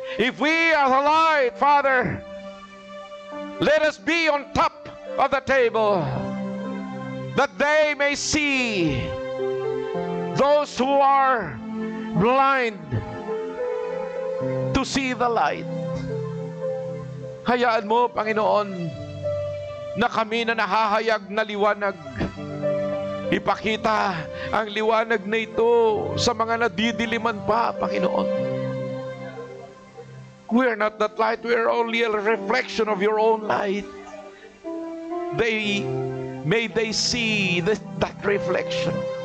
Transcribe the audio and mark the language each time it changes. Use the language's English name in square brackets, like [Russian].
[English] If we are the light, Father, let us be on top of the table, that they may see, those who are blind, to see the light. [Filipino] Hayaan mo, Panginoon, na kami na nahahayag na liwanag, ipakita ang liwanag na ito sa mga nadidiliman pa, Panginoon. [English] We are not that light. We are only a reflection of your own light. May they see that reflection.